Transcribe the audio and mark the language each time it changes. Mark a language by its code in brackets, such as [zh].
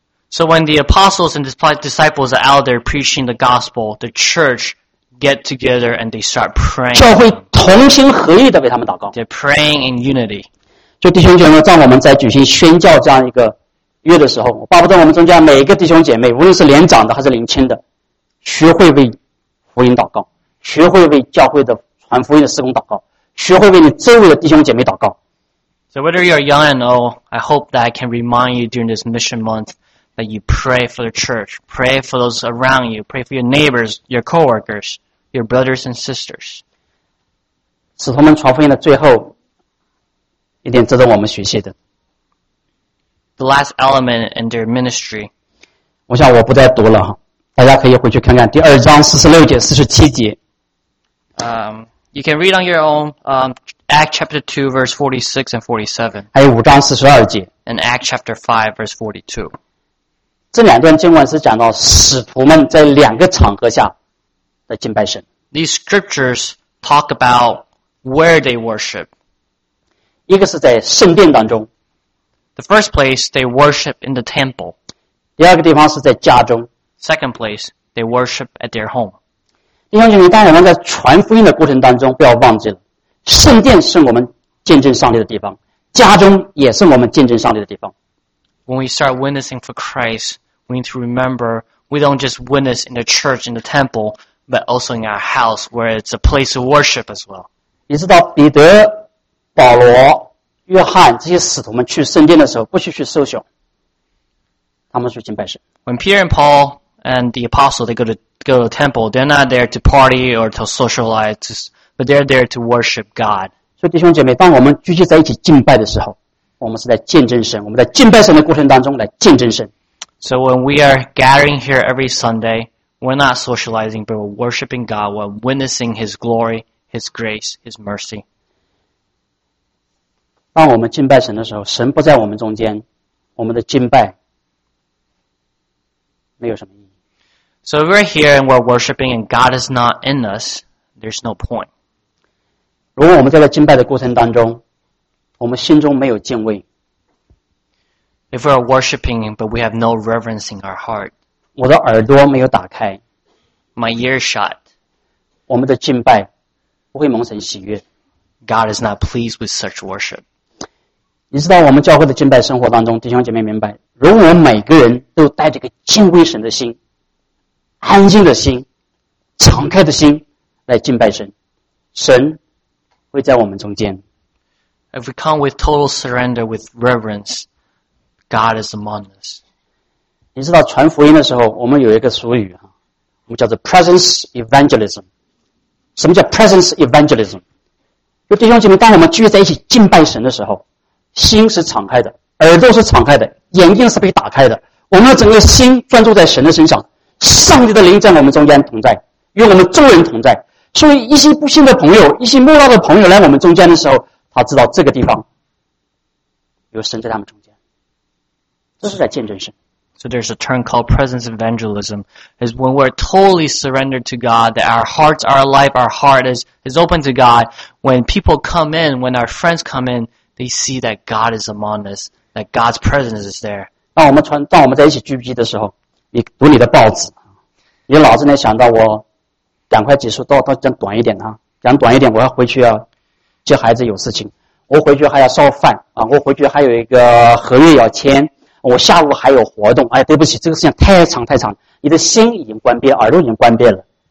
[en] So when the apostles and disciples are out there preaching the gospel, the church get together and they start praying. [zh] 教会同心合意的为他们祷告。 [en] They're praying in unity. [zh] 所以弟兄姐妹，在我们在举行宣教这样一个。约的时候，巴不得我们中间每一个弟兄姐妹，无论是年长的还是年轻的，学会为福音祷告，学会为教会的传福音的事工祷告，学会为你周围的弟兄姐妹祷告。 [en] So whether you're young and old, I hope that I can remind you during this mission month that you pray for the church, pray for those around you, pray for your neighbors, your coworkers, your brothers and sisters. [zh] 使徒们传福音的最后一点值得我们学习的。 [en] The last element in their ministry. [zh] 我想我不再读了，大家可以回去看看第二章四十六节、四十七节。 [en] You can read on your own, Acts chapter 2, verse 46 and 47. [zh] 还有五章四十二节。 [en] And Acts chapter 5, verse 42. [zh] 这两段经文是讲到使徒们在两个场合下的敬拜神。 [en] These scriptures talk about where they worship. [zh] 一个是在圣殿当中。 [en] The first place, they worship in the temple. [zh] 第二个地方是在家中。 [en] Second place, they worship at their home. [zh] 弟兄姐妹，当我们在传福音的过程当中，不要忘记了，圣殿是我们见证上帝的地方，家中也是我们见证上帝的地方。 [en] When we start witnessing for Christ, we need to remember we don't just witness in the church, in the temple, but also in our house, where it's a place of worship as well. [zh] 你知道彼得、保罗、约翰这些使徒们去圣殿的时候，不需去social，他们去敬拜神。 [en] When Peter and Paul and the apostles they go to the temple, they're not there to party or to socialize, but they're there to worship God. [zh] 所以弟兄姐妹，当我们聚集在一起敬拜的时候，我们是在见证神，我们在敬拜神的过程当中来见证神。 [en] So when we are gathering here every Sunday, we're not socializing, but we're worshiping God, we're witnessing His glory, His grace, His mercy. [zh] 当我们敬拜神的时候，神不在我们中间，我们的敬拜没有什么意义。 [en] So if we're here and we're worshiping and God is not in us, there's no point. [zh] 如果我们在敬拜的过程当中，我们心中没有敬畏。 [en] If we're worshiping but we have no reverence in our heart. [zh] 我的耳朵没有打开。 [en] My ear shut. [zh] 我们的敬拜不会蒙神喜悦。 [en] God is not pleased with such worship. [zh] 你知道我们教会的敬拜生活当中，弟兄姐妹明白，如果我们每个人都带着个敬畏神的心，安静的心，敞开的心来敬拜神，神会在我们中间。 [en] If we come with total surrender, with reverence, God is among us. [zh] 你知道传福音的时候，我们有一个俗语，我们叫做 presence evangelism。什么叫 presence evangelism？就弟兄姐妹，当我们聚在一起敬拜神的时候，心是敞开的，耳朵是敞开的，眼睛是被打开的，我们的整个心专注在神的身上。上帝的灵在我们中间同在，与我们众人同在。所以一些不信的朋友，一些莫道的朋友来我们中间的时候，他知道这个地方有神在他们中间，这是在见证神。 [en] So there's a term called presence evangelism, is when we're totally surrendered to God, that our hearts are alive, our heart is open to God. When people come in, when our friends come in, they see that God is among us, that God's presence is there. [zh] 当我们在一起聚集的时候。你读你的报纸，你脑子里想到我赶快结束，到讲短一点啊，讲短一点，我要回去啊，接孩子有事情，我回去还要烧饭啊，我回去还有一个合约要签，我下午还有活动，哎，对不起，这个事情太长太长，你的心已经关闭，耳朵已经关闭了。